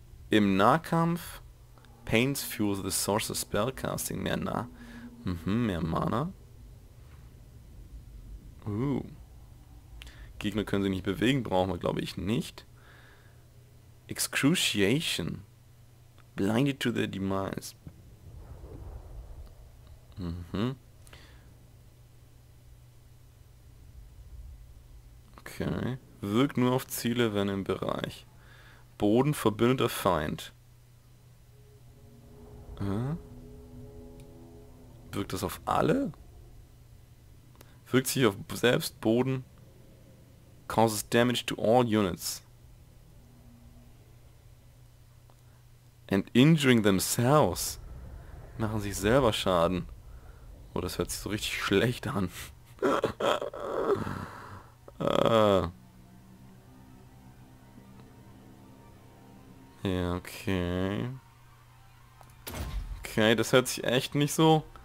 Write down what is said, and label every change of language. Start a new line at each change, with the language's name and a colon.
German: Im Nahkampf,
English: Pains Fuel the Source of Spellcasting,
German: mehr Nah. Mehr Mana. Gegner können sich nicht bewegen, brauchen wir glaube ich nicht.
English: Excruciation. Blinded to their demise. Okay.
German: Wirkt nur auf Ziele, wenn im Bereich. Boden verbündeter Feind. Wirkt das auf alle? Wirkt sich auf selbst Boden.
English: Causes damage to all units. And injuring themselves.
German: Machen sich selber Schaden. Oh, das hört sich so richtig schlecht an. Ja, okay. Okay, das hört sich echt nicht so...